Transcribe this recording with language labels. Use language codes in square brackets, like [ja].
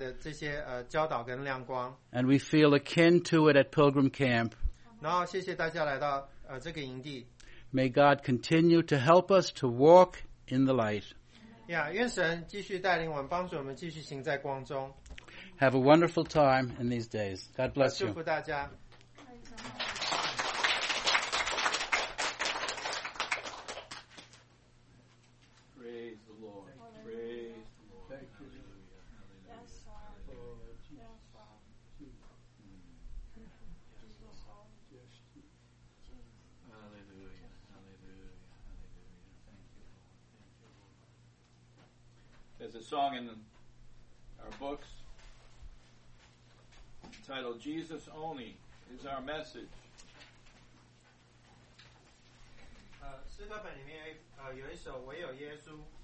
[zh] 我们很感谢就是JMI他所带来的这些教导跟亮光。 [en] And we feel akin to it at Pilgrim Camp. [zh] 然后谢谢大家来到这个营地。 [en] May God continue to help us to walk in the light. [zh] 愿神继续带领我们，帮助我们继续行在光中。 [en] Have a wonderful time in these days. God bless you. [zh] 祝福大家。 [en] Praise the Lord. Praise the Lord. Thank you. Hallelujah. Hallelujah. Yes, Lord. Yes, Lord. There's a song in our books entitled Jesus Only is Our Message. [zh] 诗歌本里面有一首唯有耶稣。